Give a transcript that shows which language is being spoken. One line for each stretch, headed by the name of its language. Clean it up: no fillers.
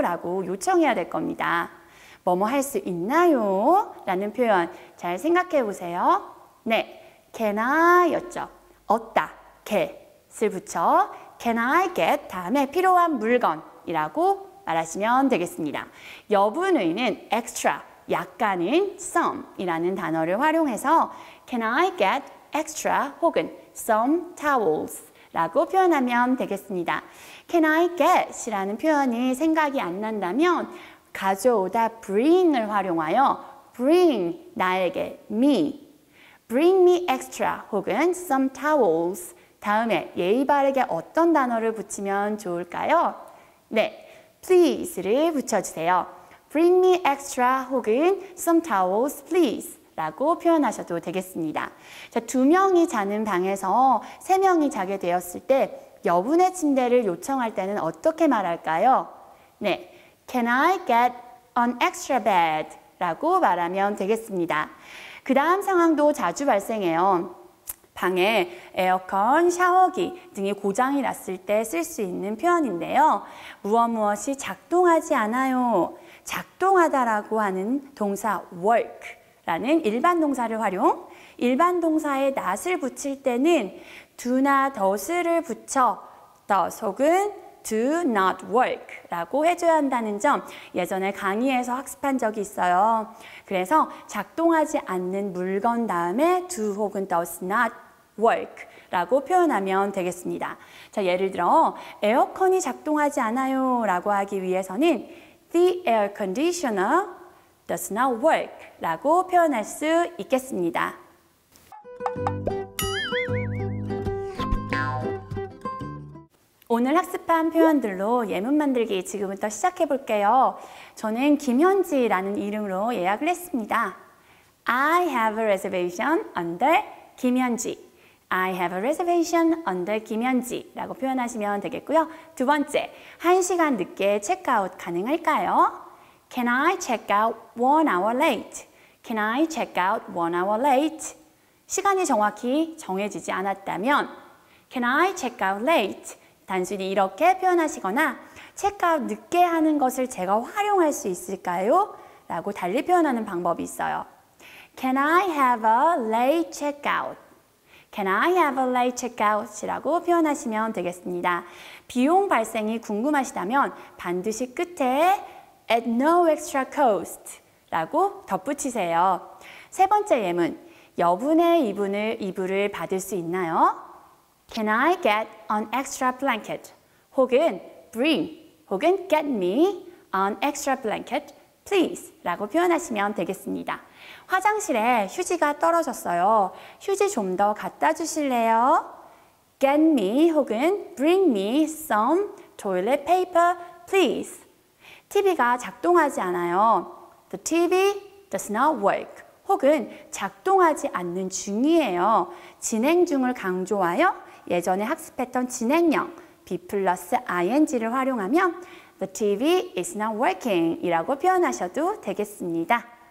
Korean: 라고 요청해야 될 겁니다. 뭐뭐 할 수 있나요? 라는 표현 잘 생각해 보세요. 네,
English: can I
Korean: 였죠. 얻다, get을 붙여
English: can I get
Korean: 다음에 필요한 물건이라고 말하시면 되겠습니다. 여분의는 extra, 약간은 some이라는 단어를 활용해서
English: Can I get extra
Korean: 혹은 some towels? 라고 표현하면 되겠습니다. Can I get이라는 표현이 생각이 안 난다면 가져오다 bring을 활용하여 bring 나에게 me
English: bring me extra
Korean: 혹은 some towels 다음에 예의 바르게 어떤 단어를 붙이면 좋을까요? 네, please를 붙여주세요.
English: Bring me extra 혹은 some towels, please
Korean: 라고 표현하셔도 되겠습니다. 자, 두 명이 자는 방에서 세 명이 자게 되었을 때 여분의 침대를 요청할 때는 어떻게 말할까요? 네,
English: Can I get an extra bed?
Korean: 라고 말하면 되겠습니다. 그 다음 상황도 자주 발생해요. 방에 에어컨, 샤워기 등이 고장이 났을 때 쓸 수 있는 표현인데요. 무엇무엇이 작동하지 않아요. 작동하다라고 하는 동사 work라는 일반 동사를 활용, 일반 동사에 not을 붙일 때는 do not, does를 붙여 does 혹은
English: do not work
Korean: 라고 해줘야 한다는 점 예전에 강의에서 학습한 적이 있어요. 그래서 작동하지 않는 물건 다음에 do 혹은
English: does not work
Korean: 라고 표현하면 되겠습니다. 자, 예를 들어 에어컨이 작동하지 않아요 라고 하기 위해서는
English: The air conditioner does not work
Korean: 라고 표현할 수 있겠습니다. 오늘 학습한 표현들로 예문 만들기 지금부터 시작해 볼게요. 저는 김현지라는 이름으로 예약을 했습니다.
English: I have a reservation under 김현지. I have a reservation under 김현지
Korean: 라고 표현하시면 되겠고요. 두 번째, 1시간 늦게 체크아웃 가능할까요?
English: Can I check out 1 hour late? Can I check out 1 hour late?
Korean: 시간이 정확히 정해지지 않았다면
English: Can I check out late?
Korean: 단순히 이렇게 표현하시거나 체크아웃 늦게 하는 것을 제가 활용할 수 있을까요? 라고 달리 표현하는 방법이 있어요.
English: Can I have a late checkout? Can I have a late checkout?
Korean: 이라고 표현하시면 되겠습니다. 비용 발생이 궁금하시다면 반드시 끝에
English: at no extra cost
Korean: 라고 덧붙이세요. 세 번째 예문, 여분의 이불을 받을 수 있나요?
English: Can I get an extra blanket?
Korean: 혹은
English: bring 혹은 get me an extra blanket, please?
Korean: 라고 표현하시면 되겠습니다. 화장실에 휴지가 떨어졌어요. 휴지 좀 더 갖다 주실래요?
English: Get me
Korean: 혹은
English: bring me some toilet paper, please?
Korean: TV가 작동하지 않아요.
English: The TV does not work.
Korean: 혹은 작동하지 않는 중이에요. 진행 중을 강조하여 예전에 학습했던 진행형 be plus ing를 활용하면
English: The TV is not working
Korean: 이라고 표현하셔도 되겠습니다.